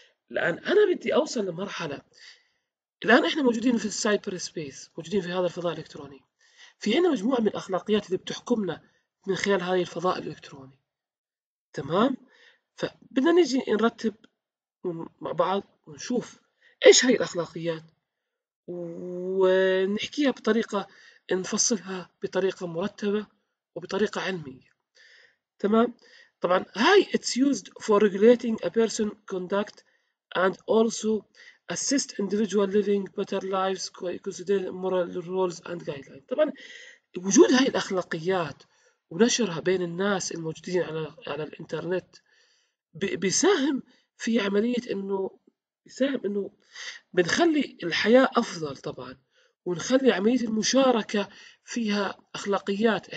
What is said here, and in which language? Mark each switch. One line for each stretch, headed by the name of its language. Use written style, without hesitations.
Arabic: الآن أنا بدي أوصل لمرحلة، الآن إحنا موجودين في السايبر سبيس، موجودين في هذا الفضاء الإلكتروني، في عنا مجموعة من الأخلاقيات اللي بتحكمنا من خلال هذا الفضاء الإلكتروني. تمام. فبدنا نجي نرتب مع بعض ونشوف إيش هاي الأخلاقيات ونحكيها بطريقة، نفصلها بطريقة مرتبة وبطريقة علمية. تمام.
English: طبعا هاي it's used for regulating a person conduct and also assist individual living better lives considering moral rules and guidelines.
Arabic: طبعا وجود هاي الأخلاقيات ونشرها بين الناس الموجودين على الإنترنت بيساهم في عملية إنه يساهم إنه بنخلي الحياة أفضل طبعا، ونخلي عملية المشاركة فيها أخلاقيات.